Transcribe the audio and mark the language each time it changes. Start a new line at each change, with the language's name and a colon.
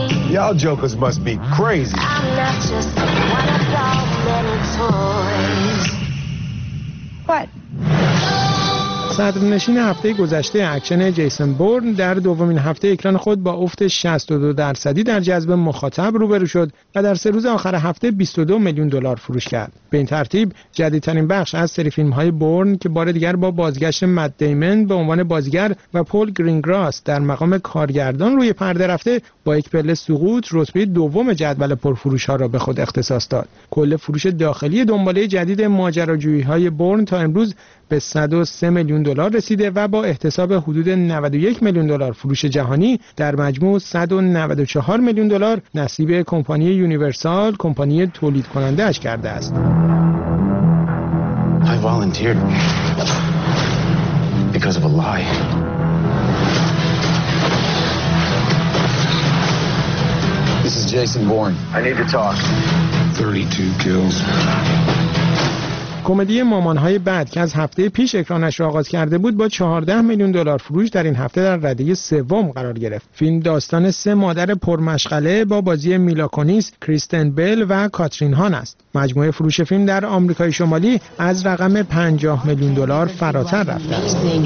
English: Y'all jokers must be crazy. I'm not just one of those little toys. What?
Persian: صدرنشین هفته گذشته اکشن جیسون بورن در دومین هفته اکران خود با افت 62% در جذب مخاطب روبرو شد و در سه روز آخر هفته 22 میلیون دلار فروش کرد. به این ترتیب جدیدترین بخش از سری فیلم‌های بورن که بار دیگر با بازگشت مت دیمن به عنوان بازیگر و پول گرینگراس در مقام کارگردان روی پرده رفته با یک پله سقوط رتبه دوم جدول پرفروش‌ها را به خود اختصاص داد. کل فروش داخلی دنباله جدید ماجراجویی‌های بورن تا امروز به 103 میلیون دلار رسیده و با احتساب حدود 91 میلیون دلار فروش جهانی در مجموع 194 میلیون دلار نصیب کمپانی یونیورسال کمپانی تولید کننده اش کرده است.
English: I volunteered because of a lie. This is Jason Bourne. I need to talk. 32 kills.
Persian: کمدی مامان‌های بعد که از هفته پیش اکرانش را آغاز کرده بود با 14 میلیون دلار فروش در این هفته در رده سوم قرار گرفت. فیلم داستان سه مادر پرمشغله با بازی میلا کونیس، کریستن بیل و کاترین هان است. مجموعه فروش فیلم در آمریکای شمالی از رقم 50 میلیون دلار فراتر رفته است.